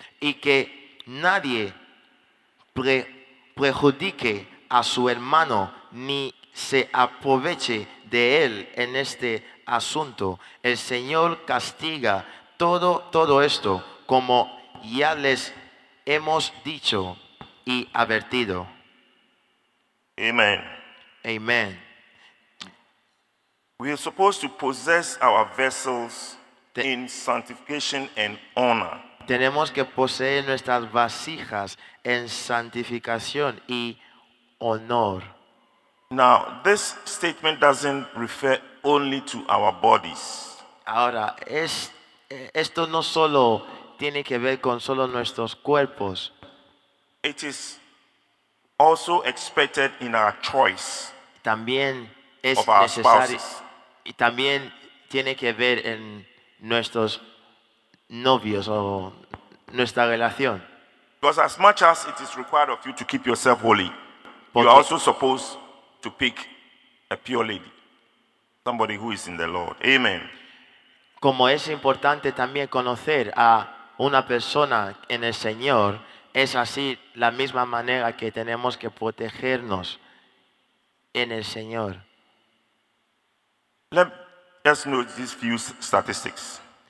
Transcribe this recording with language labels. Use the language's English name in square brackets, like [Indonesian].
[Spanish] Y que nadie perjudique a su hermano ni se aproveche de él en este asunto. El Señor castiga todo esto, como ya les hemos dicho y advertido. Amen. Amen. [English] We are supposed to possess our vessels in sanctification and honor. [Spanish] Tenemos que poseer nuestras vasijas en santificación y honor. [English] Now, this statement doesn't refer only to our bodies. [Spanish] Ahora, esto no solo tiene que ver con solo nuestros cuerpos. [English] It is also expected in our choice. [Spanish] También es [English] of our [Spanish] necesario [English] spouses. [Spanish] Y también tiene que ver en nuestros novios o nuestra relación. [English] Because as much as it is required of you to keep yourself holy, you are also supposed to pick a pure lady, somebody who is in the Lord. Amen. [Spanish] Como es importante también conocer a una persona en el Señor, es así la misma manera que tenemos que protegernos en el Señor. [English] Let's note these few statistics.